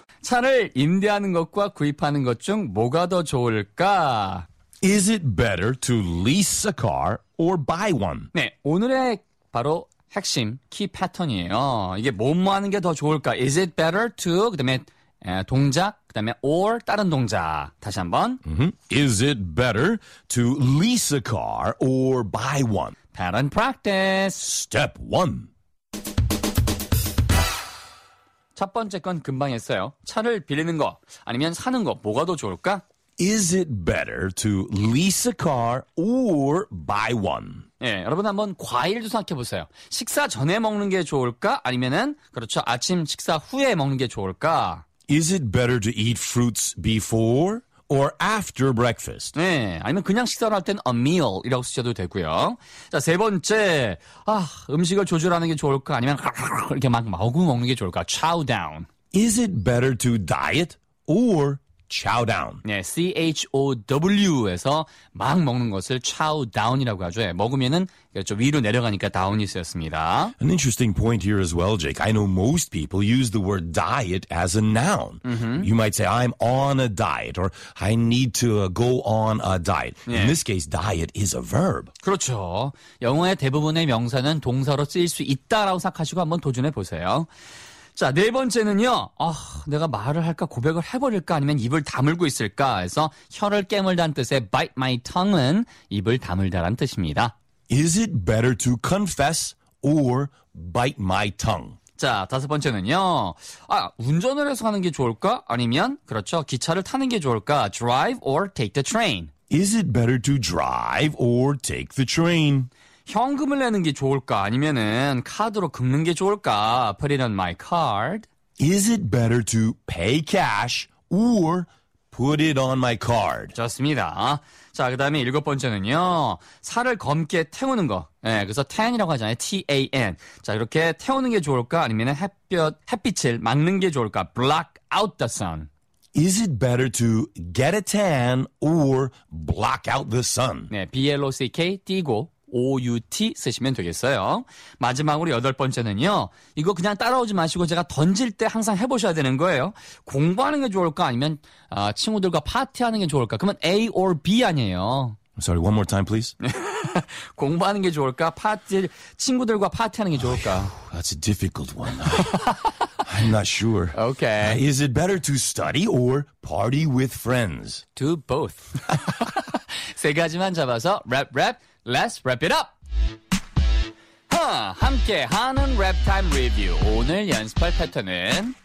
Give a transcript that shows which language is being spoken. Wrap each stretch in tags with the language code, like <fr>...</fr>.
<ko>차를 임대하는 것과 구입하는 것 중 뭐가 더 좋을까?</ko> <en>Is it better to lease a car or buy one?</en> <ko>네, 오늘의 바로 핵심 키 패턴이에요. 이게 뭐 하는 게 더 좋을까?</ko> <en>Is it better to</en> <ko>그다음에 동작, 그다음에 or 다른 동작. 다시 한번. Mm-hmm.</ko> <en>Is it better to lease a car or buy one?</en> <ko>패턴 practice.</ko> <en>Step 1.</en> <ko>첫 번째 건 금방 했어요. 차를 빌리는 거 아니면 사는 거 뭐가 더 좋을까?</ko> <en>Is it better to lease a car or buy one?</en> <ko>예, 네, 여러분 한번 과일도 생각해 보세요. 식사 전에 먹는 게 좋을까? 아니면은 그렇죠. 아침 식사 후에 먹는 게 좋을까?</ko> <en>Is it better to eat fruits before or after breakfast?</en> <ko>네, 아니면 그냥 식사를 할 땐</ko> <en>a meal</en> <ko>이라고 쓰셔도 되고요. 자, 세 번째. 아, 음식을 조절하는 게 좋을까? 아니면 이렇게 막 마구 먹는 게 좋을까?</ko> <en>Chow down. Is it better to diet or chow down?</en> <ko>네, chow에서 막 먹는 것을 chow down이라고 하죠. 먹으면은 그렇죠, 위로 내려가니까 down이 쓰였습니다.</ko> <en>An interesting point here as well, Jake. I know most people use the word diet as a noun. Mm-hmm. You might say, I'm on a diet or I need to go on a diet.</en> <ko>네.</ko> <en>In this case, diet is a verb.</en> <ko>그렇죠. 영어의 대부분의 명사는 동사로 쓰일 수 있다라고 생각하시고 한번 도전해 보세요. 자, 네 번째는요. 내가 말을 할까 고백을 해버릴까 아니면 입을 다물고 있을까 해서 혀를 깨물다는 뜻의</ko> <en>bite my tongue</en> <ko>은 입을 다물다라는 뜻입니다.</ko> <en>Is it better to confess or bite my tongue?</en> <ko>자, 다섯 번째는요. 아, 운전을 해서 하는 게 좋을까 아니면 그렇죠, 기차를 타는 게 좋을까?</ko> <en>Drive or take the train? Is it better to drive or take the train?</en> <ko>현금을 내는 게 좋을까? 아니면은 카드로 긁는 게 좋을까?</ko> <en>Put it on my card. Is it better to pay cash or put it on my card?</en> <ko>좋습니다. 자, 그 다음에 일곱 번째는요. 살을 검게 태우는 거. 예, 네, 그래서 tan이라고 하잖아요.</ko> <en>T-A-N.</en> <ko>자, 이렇게 태우는 게 좋을까? 아니면은 햇빛을 막는 게 좋을까?</ko> <en>Block out the sun. Is it better to get a tan or block out the sun?</en> <ko>네, B-L-O-C-K 띄고. O-U-T 쓰시면 되겠어요. 마지막으로 여덟 번째는요. 이거 그냥 따라오지 마시고 제가 던질 때 항상 해보셔야 되는 거예요. 공부하는 게 좋을까? 아니면 친구들과 파티하는 게 좋을까? 그러면 A or B 아니에요.</ko> <en>Sorry, one more time, please. 공부하는 게 좋을까? 파티, 친구들과 파티하는 게 좋을까? Oh, that's a difficult one. I'm not sure. Okay. Is it better to study or party with friends? Do both.</en> <ko>세 가지만 잡아서 랩, 랩.</ko> <en>Let's wrap it up!</en> <ko>함께 하는 랩 타임 리뷰. 오늘 연습할 패턴은</ko>